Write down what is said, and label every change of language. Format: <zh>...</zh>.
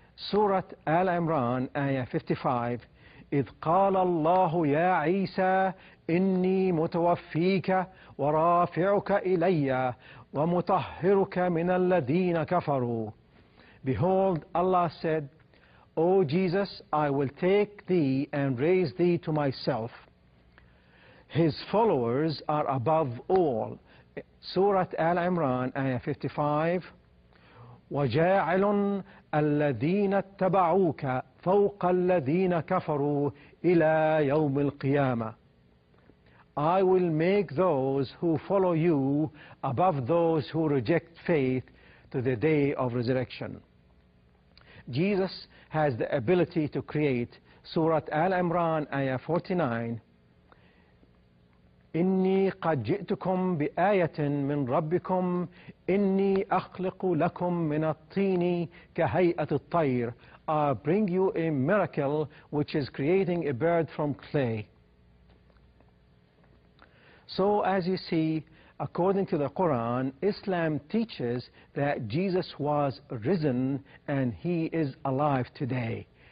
<en>Surah Al-Imran, Ayah 55.</en> <ar>إذ قال الله يا عيسى إني متوفيك ورافعك إلي ومطهرك من الذين كفروا.</ar> <en>Behold, Allah said, O Jesus, I will take thee and raise thee to myself. His followers are above all. Surah Al-Imran, Ayah 55.</en> <ar>وجاعل الذين اتبعوك فوق الذين كفروا إلى يوم القيامة.</ar> <en>I will make those who follow you above those who reject faith to the day of resurrection. Jesus has the ability to create. Surah Al-Imran, Ayah 49.</en> <ar>إني قد جئتكم بآية من ربكم إني أخلق لكم من الطين كهيئة الطير.</ar> <en>I bring you a miracle which is creating a bird from clay. So as you see, according to the Quran, Islam teaches that Jesus was risen and he is alive today.</en>